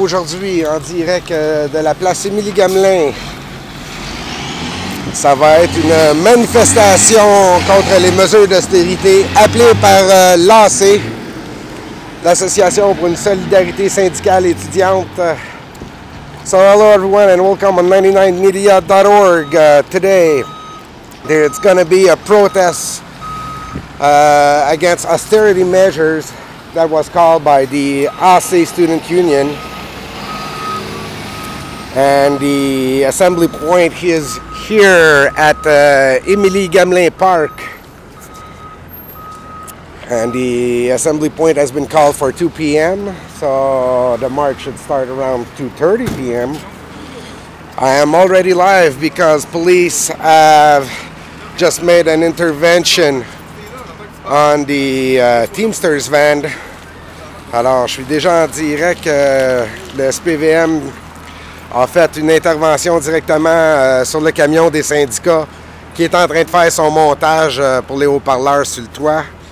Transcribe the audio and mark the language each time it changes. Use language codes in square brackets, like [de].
[fr] Aujourd'hui, en direct de la place Émilie Gamelin, ça va être une manifestation contre les mesures d'austérité appelées par l'AC, l'Association pour une solidarité syndicale étudiante. [en] So, hello everyone and welcome on 99media.org. Today, there's going to be a protest against austerity measures that was called by the AC Student Union. And the assembly point is here at Émilie Gamelin Park. And the assembly point has been called for 2 p.m. So the march should start around 2:30 p.m. I am already live because police have just made an intervention on the Teamsters van. [fr] Alors, je suis déjà en direct. Le SPVM a fait une intervention directement sur le camion des syndicats qui est en train de faire son montage pour les haut-parleurs sur le toit.